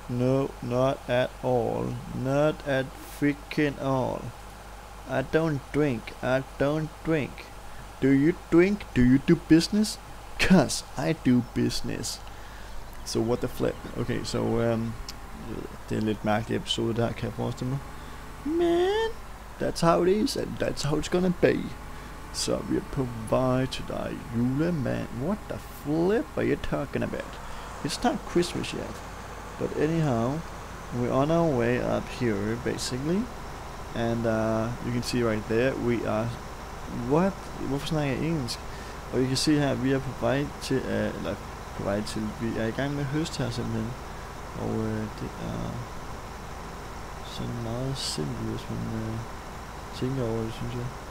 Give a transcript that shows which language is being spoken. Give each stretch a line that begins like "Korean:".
English: No, not at all. Not at freaking all. I don't drink. Do you drink? Do you do business? Cause I do business. So what the flip?
Danish: Okay, so det er en lidt mærkelig episode, der kan jeg forestille mig.
English: Man, that's how it is, and that's how it's gonna be. So we are
Danish: på vej til dig, julemand.
English: What the flip are you talking about? It's not Christmas yet. But anyhow, we're on our way up here, basically. And you can see right there, we are... What?
Danish: Hvorfor snakker jeg engelsk? Og
English: you can see
Danish: her, vi er på vej til... eller på vej til... Vi er i gang med høst her, simpelthen. Og det er sådan meget simpelt, hvis man tænker over det, synes jeg.